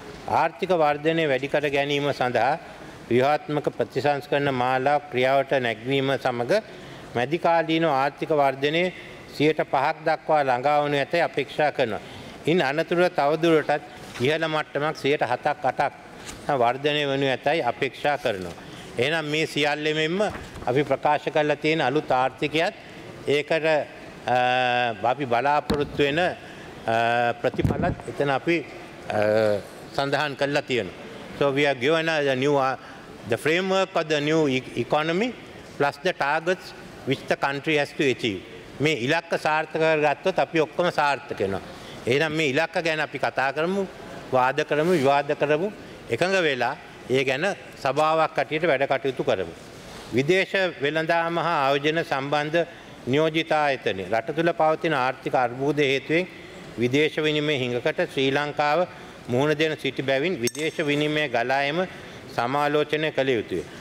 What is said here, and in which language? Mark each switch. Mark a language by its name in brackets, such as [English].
[Sinhala] ආර්ථික වර්ධනය වැඩිකර ගැනීම සඳහා ව්‍යවහාත්මක ප්‍රතිසංස්කරණ මාලා ක්‍රියාවට නැග්වීම සමග මැදිකාලීන ආර්ථික වර්ධනය 5%ක් දක්වා ළඟාවනු ඇතැයි අපේක්ෂා කරනවා. ඉන් අනතුරුව තවදුරටත් ඉහළ මට්ටමක් 7%, 8%, නැත්නම් වර්ධනය වෙනු ඇතයි අපේක්ෂා කරනවා. එහෙනම් මේ සියල්ලෙමින්ම අපි ප්‍රකාශ කරලා තියෙන අලුත් ආර්ථිකයත් ඒකට අපි බලාපොරොත්තු වෙන ප්‍රතිඵලත් එතන අපි සඳහන් කරලා තියෙනවා. [English] So we are given the new the framework of the new economy plus the targets which the country has to achieve. [Sinhala] මේ ඉලක්ක සාර්ථක කරගත්තොත් අපි ඔක්කොම සාර්ථක වෙනවා. එහෙනම් මේ ඉලක්ක ගැන අපි කතා කරමු, වාද කරමු, විවාද කරමු, එකඟ වෙලා ඒ ගැන සභාවක් කටියට වැඩ කටයුතු කරමු. විදේශ වෙළඳාම හා ආයෝජන සම්බන්ධ නියෝජිත ආයතනය රට තුළ පවතින ආර්ථික අර්බුදය හේතුවෙන් විදේශ විනිමය හිඟකට ශ්‍රී ලංකාව මුහුණ දෙන සිටි බැවින් විදේශ විනිමය ගලා එම සමාලෝචනය කළ යුතුය.